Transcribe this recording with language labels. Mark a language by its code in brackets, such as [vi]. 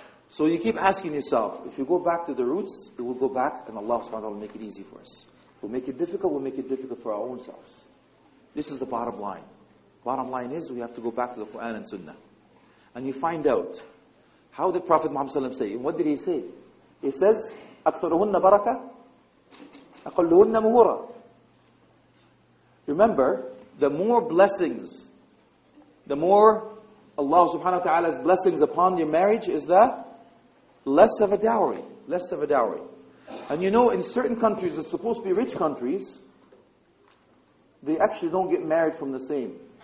[en] So you keep asking yourself, if you go back to the roots, it will go back and Allah subhanahu wa ta'ala will make it easy for us. We'll make it difficult, we'll make it difficult for our own selves. This is the bottom line. Bottom line is, we have to go back to the Quran and Sunnah. And you find out, how did Prophet Muhammad say? And what did he say? He says, [ar] أَكْثَرُهُنَّ بَرَكَةً أَقَلُّهُنَّ مُهُورًا. [en] Remember, the more blessings, the more Allah subhanahu wa ta'ala's blessings upon your marriage is that, less of a dowry. Less of a dowry. And you know, in certain countries, it's supposed to be rich countries, they actually don't get married from the same.